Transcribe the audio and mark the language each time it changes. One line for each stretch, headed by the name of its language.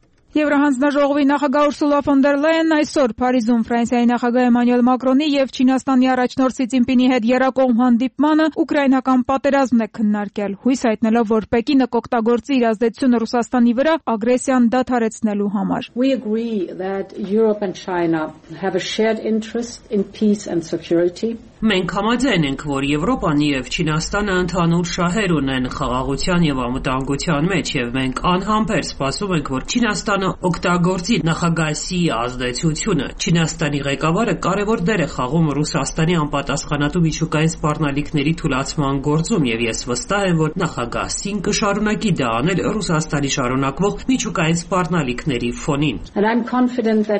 Armenian: Եվրահանձնաժողովի նախագահ Ուրսուլա ֆոն դեր Լայեն այսօր Փարիզում Ֆրանսիայի նախագահ Էմանուել Մակրոնի և Չինաստանի առաջնորդ Սի Ցինպինի հետ երկկողմ հանդիպմանը ուկրաինական պատերազմն է քննարկել, հույս հայտնելով, որ Պեկինը կօգտագործի իր ազդեցությունը Ռուսաստանի վրա ագրեսիան դադարեցնելու համար։
English: We agree that Europe and China have a shared interest in peace and security.
Armenian: Մենք համաձայն ենք, որ Եվրոպան և Չինաստանը ընդհանուր շահեր ունեն խաղաղության և անվտանգության մեջ, և մենք անհամբեր սպասում ենք, որ Չինաստանը օգտագործի նախագահ Սիի ազդեցությունը։ Չինաստանի ղեկավարը կարևոր դեր է խաղում Ռուսաստանի անպատասխանատու միջուկային սպառնալիքների թուլացման գործում, և ես վստահ եմ, որ նախագահ Սին կշարունակի դա անել Ռուսաստանի շարունակվող միջուկային սպառնալիքների ֆոնին։